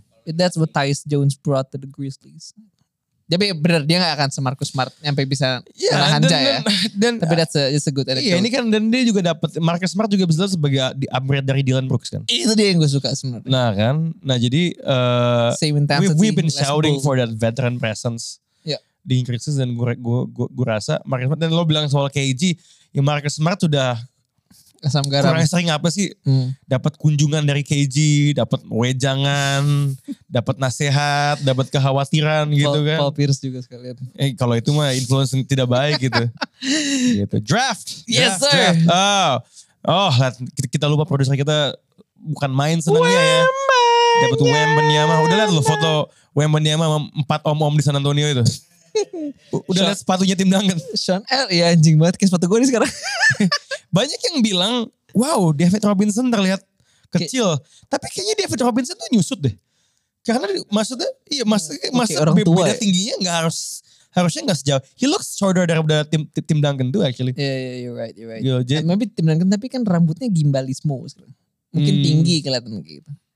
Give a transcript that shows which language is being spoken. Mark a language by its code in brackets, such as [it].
[en] That's what Tyus Jones brought to the Grizzlies. [id] Jadi bener, dia gak akan se-Marcus Smart sampai bisa menahan dan, [en] tapi that's a good anecdote. [id] Iya, ini kan, dan dia juga dapat Marcus Smart juga bisa sebagai di upgrade dari Dylan Brooks kan. Itu dia yang gue suka sebenarnya. Nah kan, nah jadi [en] we've been shouting for that veteran presence [id] di Grizzlies, dan gue rasa Marcus Smart, dan lo bilang soal KG, ya Marcus Smart sudah asam garam. Kurang sering apa sih? Dapat kunjungan dari KG, dapat wejangan, dapat nasihat, dapat kekhawatiran gitu kan. Paul Pierce juga sekalian. Kalau itu mah influence tidak baik gitu. Gitu. Draft. [en] Yes draft, sir. [id] Draft. Oh, kita lupa produser kita bukan main senangnya ya. Dapat Wembanyama. Udah lihat lo foto Wembanyama sama 4 om-om di San Antonio itu. Udah lihat sepatunya Tim Duncan. Sean L, ya anjing banget kayak sepatu gue nih sekarang. Banyak yang bilang, wow David Robinson terlihat kecil. Tapi kayaknya David Robinson tuh nyusut deh. Karena maksudnya, iya maksudnya [en] okay, [id] beda tingginya gak harus, harusnya gak sejauh. [en] He looks shorter daripada Tim Duncan tuh actually. Yeah, you're right. You know, maybe Tim Duncan [id] tapi kan rambutnya gimbalismo. Mungkin tinggi kelihatan gitu.